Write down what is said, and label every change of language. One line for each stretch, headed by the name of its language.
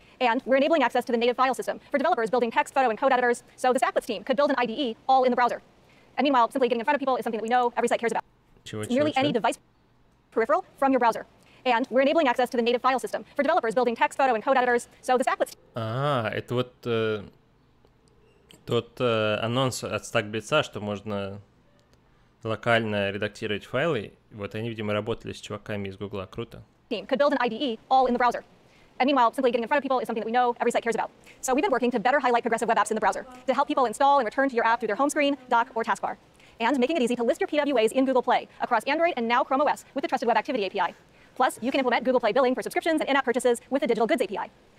English: And we're enabling access to the native file system for developers building text, photo, and code editors, so this applets team could build an IDE all in the browser. And meanwhile, simply getting in front of people is something that we know every site cares about. Any device peripheral from your browser. And we're enabling access to the native file system for developers building text, photo, and code editors, so this applets team...
Russian: Это вот тот анонс от StackBits'а, что можно локально редактировать файлы. Вот они, видимо, работали с чуваками из Гугла. Круто.
English: ...team could build an IDE all in the browser. And meanwhile, simply getting in front of people is something that we know every site cares about. So we've been working to better highlight progressive web apps in the browser, to help people install and return to your app through their home screen, dock, or taskbar. And making it easy to list your PWAs in Google Play across Android and now Chrome OS with the Trusted Web Activity API. Plus, you can implement Google Play billing for subscriptions and in-app purchases with the Digital Goods API.